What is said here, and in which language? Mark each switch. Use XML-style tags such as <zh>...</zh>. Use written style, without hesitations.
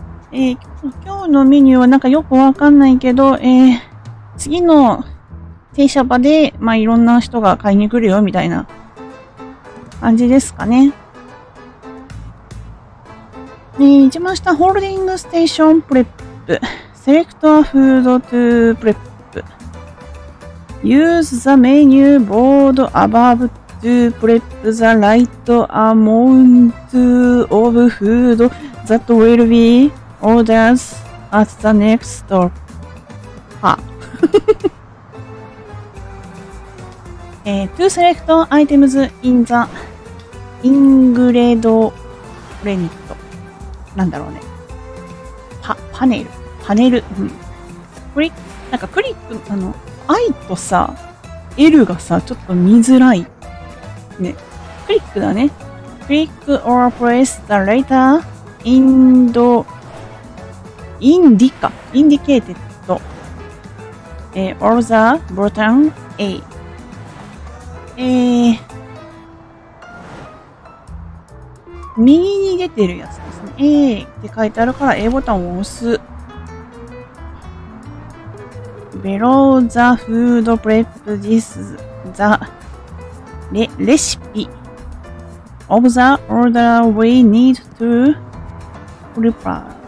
<ja>今日のメニューはなんかよくわかんないけど、次の停車場で、まあ、いろんな人が買いに来るよみたいな感じですかね。一番下、</ja> <en>ホールディングステーションプレップ。セレクトアフードトゥープレップ。 Use the menu board above to prep the right amount of food that will be ordered at the next stop. は。 to select items in the ingredient planet.</en> <ja>なんだろうね。パネル、うん、なんかクリック、あの I とさ L がさちょっと見づらいね。クリックだね。</ja> <en>クリック or press the letter indicated or the button A。</en> <ja>右に出てるやつ、A って書いてあるから A ボタンを押す。</ja> <en>Below the food prep this the recipe of the order we need to prepare.</en>